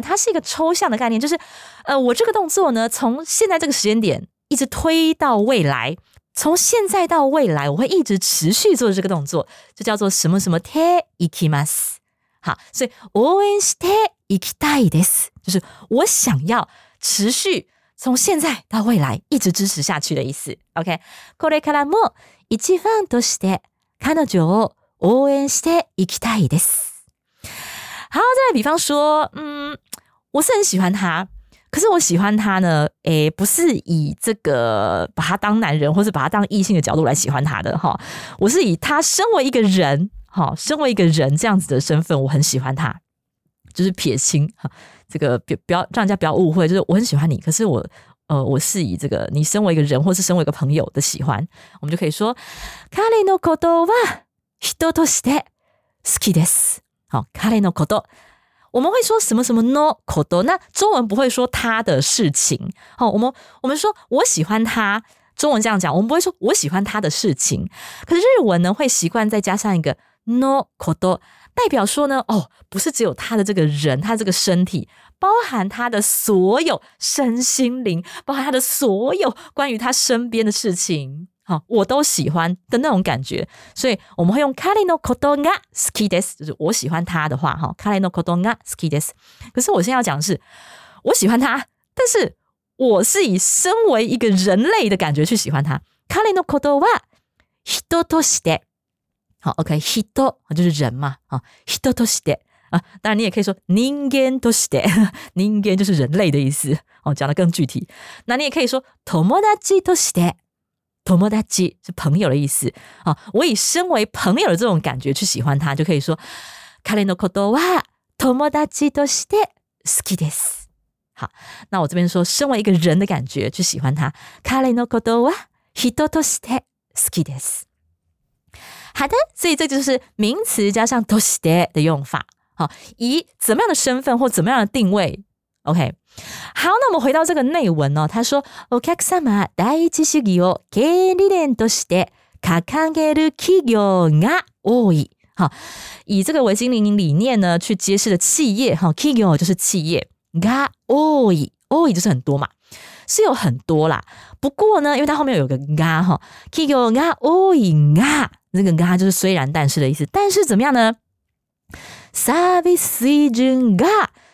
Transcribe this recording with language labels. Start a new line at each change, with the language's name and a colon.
Chinese: 它是一个抽象的概念，就是我这个动作呢，从现在这个时间点一直推到未来，从现在到未来，我会一直持续做这个动作，就叫做什么什么 take must。好，所以
Japanese: 応援していきたいです，
Chinese: 就是我想要持续。从现在到未来一直支持下去的意思。 OK。
Japanese: これからも一ファンとして彼女を応援していきたいです。
Chinese: 好，再来比方说我是很喜欢他。可是我喜欢他呢不是以这个把他当男人或是把他当异性的角度来喜欢他的。我是以他身为一个人身为一个人这样子的身份我很喜欢他。就是撇清。这个不要让人家不要误会，就是我很喜欢你，可是我是以这个你身为一个人或是身为一个朋友的喜欢，我们就可以说
Japanese: 彼のことは人として好きです。
Chinese: 好，彼のこと，我们会说什么什么のこと，那中文不会说他的事情。好，我们说我喜欢他，中文这样讲，我们不会说我喜欢他的事情，可是日文呢会习惯再加上一个のこと。代表说呢，哦，不是只有他的这个人，他这个身体，包含他的所有身心灵，包含他的所有关于他身边的事情，好，我都喜欢的那种感觉。所以我们会用
Japanese: 彼のことが好きです，
Chinese: 就是我喜欢他的话，哈，彼のことが好きです。可是我现在要讲的是，我喜欢他，但是我是以身为一个人类的感觉去喜欢他。
Japanese: 彼のことは人として。
Chinese: 好 ，OK， 人就是人嘛，啊，人として啊，当然你也可以说人間として，人間就是人类的意思，哦，讲得更具体。那你也可以说
Japanese: 友達として，
Chinese: 友達是朋友的意思，啊，我以身为朋友的这种感觉去喜欢他，就可以说
Japanese: 彼のことは友達として好きです。
Chinese: 好，那我这边说身为一个人的感觉去喜欢他，
Japanese: 彼のことは人として好きです。
Chinese: 好的，所以这就是名词加上として的用法。好，以怎么样的身份或怎么样的定位， OK， 好，那我们回到这个内文哦。他说，
Japanese: お客様第一主義を経営理念として掲げる企業が多い。
Chinese: 好，以这个维新经营理念呢去揭示的企业，哈，企業就是企业，が多い，多い就是很多嘛，是有很多啦。不过呢，因为它后面有个が，哈，
Japanese: 企業が多いが，
Chinese: 这个が就是虽然但是的意思。但是怎么样呢？
Japanese: サービス水準が。